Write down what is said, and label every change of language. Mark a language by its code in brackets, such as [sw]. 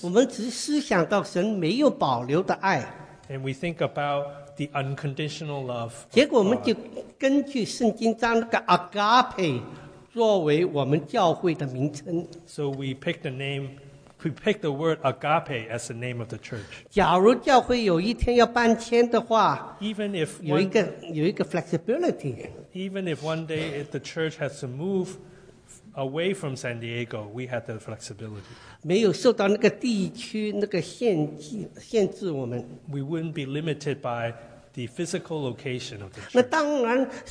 [zh] 我们只是思想到神没有保留的爱, [en] and we think about the unconditional love of God. [zh] 结果我们就根据圣经章那个agape, 作为我们教会的名称。 [en] So we picked the word agape as the name of the church. [zh] 假如教会有一天要搬迁的话, [en] even if one day the church has to move away from San Diego, we have the flexibility. [zh] 没有受到那个地区那个限制我们。 [en] We wouldn't be limited by the physical location of the church.